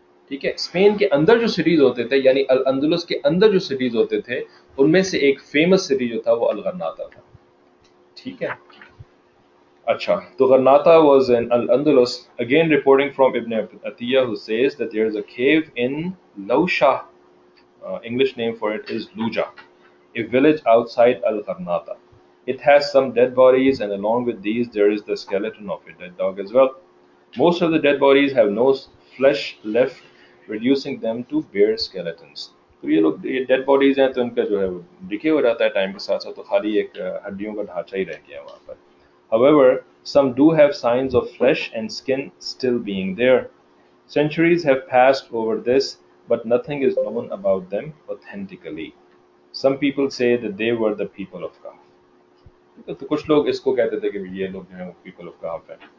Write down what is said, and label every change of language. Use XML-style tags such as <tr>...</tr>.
<ur>ٹھیک ہے, اسپین کے اندر جو سٹیز ہوتے تھے, یعنی الاندلس کے اندر جو سٹیز ہوتے تھے, ان میں سے ایک فیمس سٹی جو تھا وہ الغرناطا تھا. ٹھیک ہے, اچھا, تو غرناطا</ur> <en>was in</en> <ur>الاندلس.</ur> <en>Again reporting from Ibn Atiyah who says that there is a cave in Lausha, English name for it is Loja, a village outside Al Gharnata. It has some dead bodies and along with these there is the skeleton of a dead dog as well. Most of the dead bodies have no flesh left, reducing them to bare skeletons.</en> <ur>تو یہ لوگ dead bodies ہیں, تو ان کا جو ہے وہ ڈکے ہو جاتا ہے ٹائم کے ساتھ ساتھ, تو خالی ایک ہڈیوں کا ڈھانچہ ہی رہ گیا وہاں پر.</ur> <en>However, some do have signs of flesh and skin still being there. Centuries have passed over this, but nothing is known about them authentically. Some people say that they were the people of Kahf.</en> <ur>تو کچھ لوگ اس کو کہتے تھے کہ یہ لوگ جو ہیں وہ پیپل آف کہف ہیں.</ur>